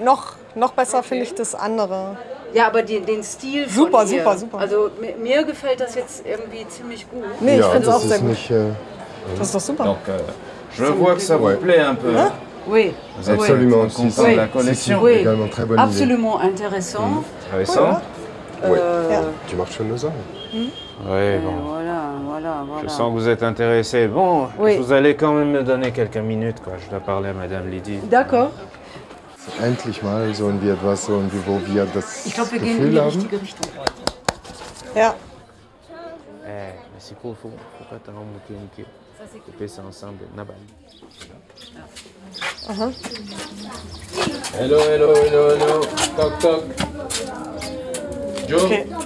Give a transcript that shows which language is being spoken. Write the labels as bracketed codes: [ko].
[de] Noch besser finde ich das andere. Ja, aber den Stil von super, ihr. Super, super. Also mir gefällt das jetzt irgendwie ziemlich gut. Nee, ja, ich finde es auch sehr gut. Nicht, das ist doch super. [fr] Donc, je vois que ça vous plaît un peu. Hein? Oui. Absolument. Oui. Si, la collection. C'est également très bonne absolument idée. Intéressant. Intéressant. Oui. Tu marches sur nos armes. Oui, bon. Voilà. Je sens que vous êtes intéressé. Bon, vous allez quand même me donner quelques minutes, quoi. Je dois parler à Madame Lydie. D'accord. [de] Endlich mal so ein wie etwas so ein wie wo wir das Gefühl haben. Ja. [fr] Mais c'est quoi, pourquoi t'as remonté une queue? Couper ça ensemble, Nabal. [en] Hello, hello, hello, hello. Toc, toc. Joe. Okay.